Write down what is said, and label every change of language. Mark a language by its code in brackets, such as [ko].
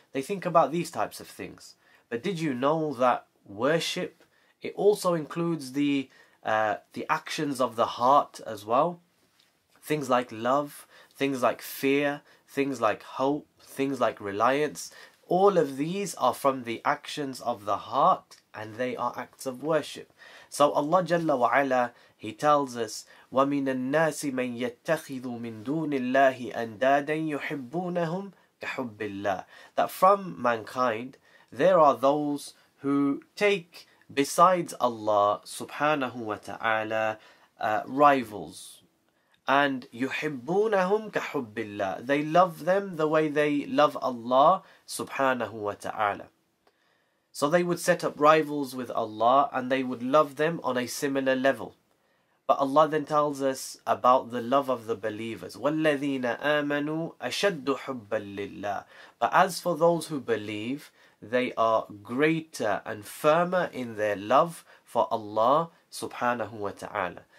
[en] They think about these types of things. But did you know that worship, it also includes the actions of the heart as well? Things like love, things like fear, things like hope, things like reliance. All of these are from the actions of the heart, and they are acts of worship. So Allah Jalla wa Ala, He tells us, [ar] وَمِنَ النَّاسِ مَنْ يَتَّخِذُ مِنْ دُونِ اللَّهِ أَنْدَادًا يُحِبُّونَهُمْ كَحُبِّ اللَّهِ. [en] That from mankind, there are those who take besides Allah subhanahu wa ta'ala rivals. [ar] And يُحِبُّونَهُمْ كَحُبِّ اللَّهِ. [en] They love them the way they love Allah subhanahu wa ta'ala. So they would set up rivals with Allah, and they would love them on a similar level. But Allah then tells us about the love of the believers. [ar] وَالَّذِينَ آمَنُوا أَشَدُّ حُبَّا لِلَّهِ. [en] But as for those who believe, they are greater and firmer in their love for Allah subhanahu wa ta'ala.